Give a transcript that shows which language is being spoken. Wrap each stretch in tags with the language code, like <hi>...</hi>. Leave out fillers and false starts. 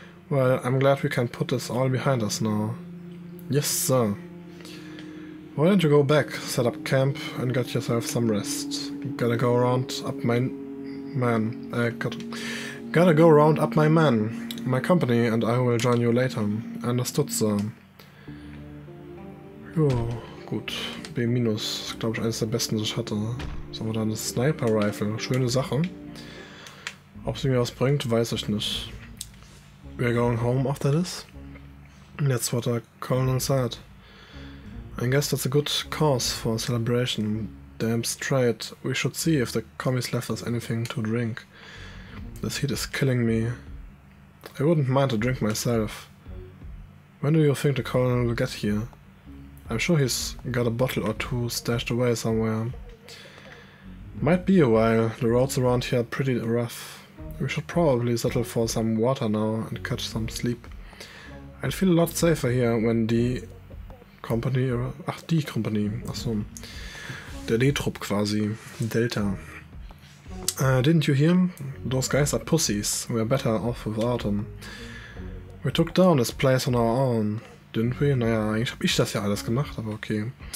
<en>Well, I'm glad we can put this all behind us now. Yes, sir. Why don't you go back, set up camp, and get yourself some rest? Gotta go round up my men, my company, and I will join you later. Understood, sir.</en> <de>Jo, gut. B- ist, glaube ich, eines der besten, was ich hatte. So, aber dann eine Sniper Rifle. Schöne Sache. Ob sie mir was bringt, weiß ich nicht.</de> <en>We're going home after this. That's what the Colonel said. I guess that's a good cause for a celebration. Damn straight. We should see if the commies left us anything to drink. This heat is killing me. I wouldn't mind a drink myself. When do you think the Colonel will get here? I'm sure he's got a bottle or two stashed away somewhere. Might be a while, the roads around here are pretty rough. We should probably settle for some water now and catch some sleep. I'd feel a lot safer here when</en> <de>D-Trupp quasi,</de> <en>Delta. Didn't you hear? Those guys are pussies, we're better off without them. We took down this place on our own. Didn't we?</en> <de>Naja, eigentlich habe ich das ja alles gemacht, aber okay.</de>